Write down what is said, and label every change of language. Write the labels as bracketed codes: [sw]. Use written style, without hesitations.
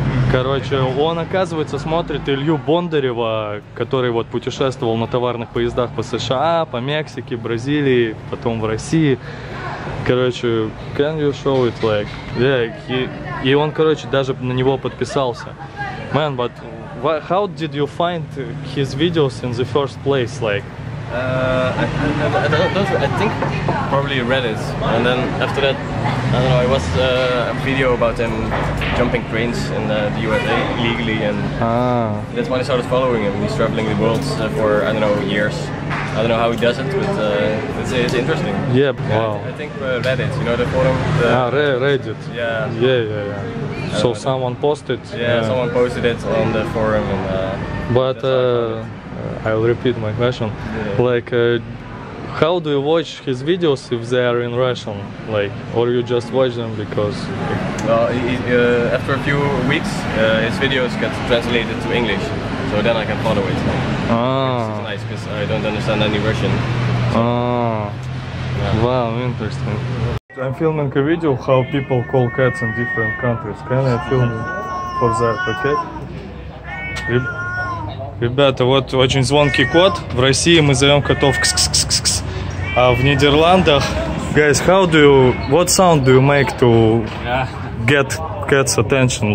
[ru] Короче, он, оказывается, смотрит Илью Бондарева, который вот путешествовал на товарных поездах по США, по Мексике, Бразилии, потом в России. Короче, [en] can you show it like? Yeah, he... [ru] И он, короче, даже на него подписался. [en] Man, but how did you find his videos in the first place, like? I think probably Reddit, and then after that, I don't know, it was a video about him jumping cranes in the USA illegally, and that's when I started following him. He's traveling the world for, I don't know, years. I don't know how he does it, but it's interesting. Yeah, yeah, wow. I think Reddit, you know the forum? Reddit. Yeah. So someone posted? Yeah, someone posted it on the forum. And, but... I'll repeat my question. Yeah. Like, how do you watch his videos if they are in Russian? Like, or you just watch them because? Well, after a few weeks, his videos get translated to English, so then I can follow it. It's nice because I don't understand any Russian. Wow, interesting. I'm filming a video how people call cats in different countries. Can I film for that? Okay. [ru] Ребята, вот очень звонкий кот. В России мы зовем котов кс-кс-кс-кс. А в Нидерландах... [en] Guys, how do you... What sound do you make to get cat's attention?